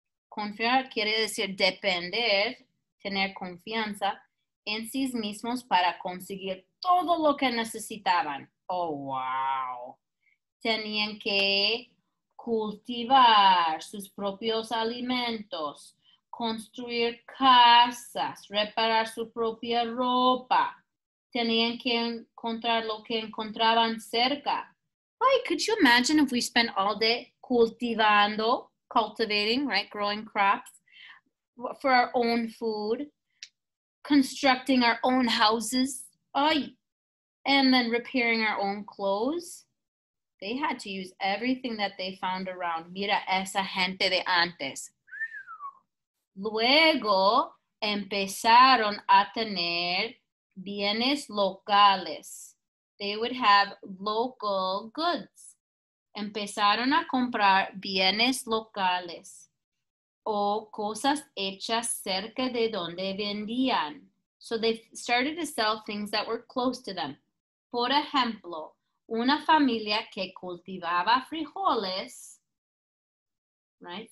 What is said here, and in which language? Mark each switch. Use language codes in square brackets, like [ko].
[es] Confiar quiere decir depender, tener confianza en sí mismos para conseguir todo lo que necesitaban. Oh, wow. Tenían que cultivar sus propios alimentos, construir casas, reparar su propia ropa. Tenían que encontrar lo que encontraban cerca. [en] Why, could you imagine if we spent all day cultivando, cultivating, right, growing crops for our own food, constructing our own houses, ay, and then repairing our own clothes? They had to use everything that they found around. [es] Mira esa gente de antes. Luego empezaron a tener bienes locales. [en] They would have local goods. [es] Empezaron a comprar bienes locales o cosas hechas cerca de donde vendían. [en] So they started to sell things that were close to them. [es] Por ejemplo, una familia que cultivaba frijoles, right?